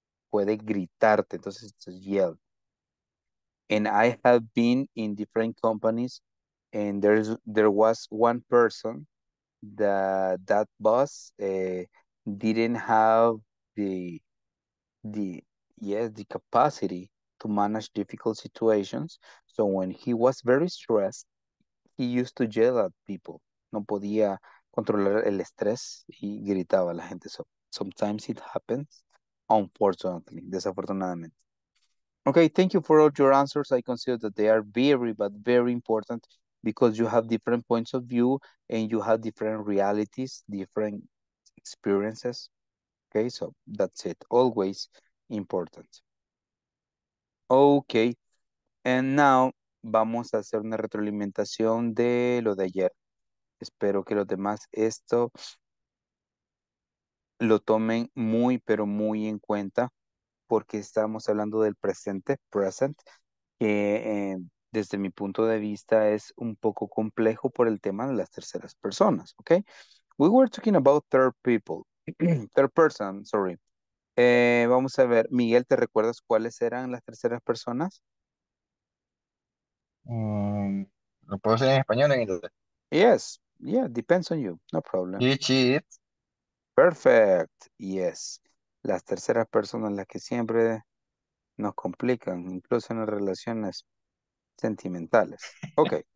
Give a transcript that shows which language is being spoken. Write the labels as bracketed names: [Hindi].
[Spanish] Puede gritarte, entonces [English] it's yell. And I have been in different companies, and there was one person that boss didn't have the capacity to manage difficult situations. So when he was very stressed, he used to yell at people. [Spanish] No podía controlar el estrés y gritaba a la gente. [English] So sometimes it happens, unfortunately, [Spanish] desafortunadamente. [English] Okay, thank you for all your answers. I consider that they are very, but very important because you have different points of view and you have different realities, different experiences. Okay, so that's it. Always important. Okay, and now [Spanish] vamos a hacer una retroalimentación de lo de ayer. Espero que los demás esto lo tomen muy, pero muy en cuenta. Porque estamos hablando del presente, present, que desde mi punto de vista es un poco complejo por el tema de las terceras personas, ¿ok? [English] We were talking about third people, third person, sorry. [Spanish] Vamos a ver, Miguel, ¿te recuerdas cuáles eran las terceras personas? ¿Lo puedo hacer en español o en inglés? [English] Yes, yeah, depends on you, no problem. You cheat. Perfect, yes. [Spanish] Las terceras personas, las que siempre nos complican, incluso en las relaciones sentimentales. Ok.